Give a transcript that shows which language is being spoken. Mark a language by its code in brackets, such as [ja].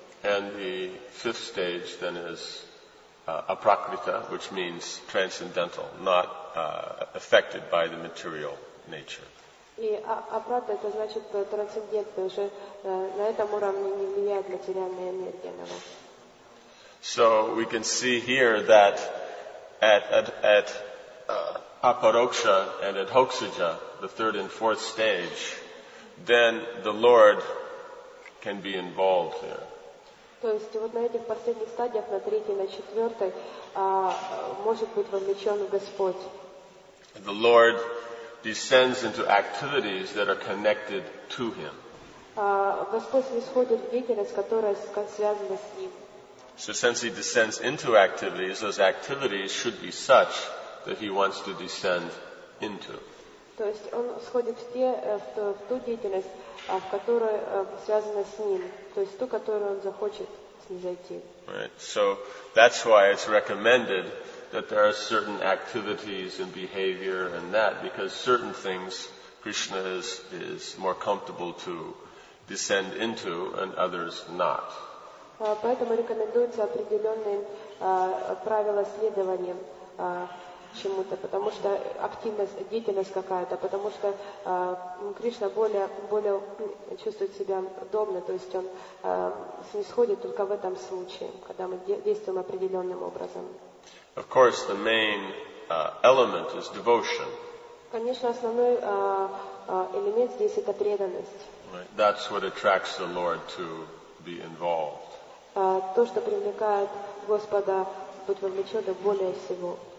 [en] And the fifth stage then is aprakrita, which means transcendental, not affected by the material nature. [ru] И апрата это значит трансцендентное, уже на этом уровне не влияет материальная энергия на вас. [en] So we can see here that at Aparoksha and Adhokshaja, the third and fourth stage, then the Lord can be involved [ru] То есть вот на этих последних стадиях, на третьей, на четвертой, может быть вовлечен Господь. [en] The Lord descends into activities that are connected to Him. [ru] Господь нисходит в деятельность, которая связана с Ним. [en] So since He descends into activities, those activities should be such that He wants to descend into. [ru] То есть Он сходит в ту деятельность, в которую связана с Ним, то есть ту, которую Он захочет снизойти. [en] Right. So that's why it's recommended that there are certain activities and behavior and that, because certain things Krishna is more comfortable to descend into and others not. [ru] Поэтому рекомендуются определенные правила следования чему-то, потому что активность, деятельность какая-то, потому что Кришна более чувствует себя удобно, то есть он снисходит только в этом случае, когда мы действуем определенным образом. [en] Of course, the main element is devotion. [ru] Конечно, основной элемент здесь — это преданность. [en] Right. That's what attracts the Lord to be involved. [ru] То, что привлекает Господа быть вовлеченным более всего.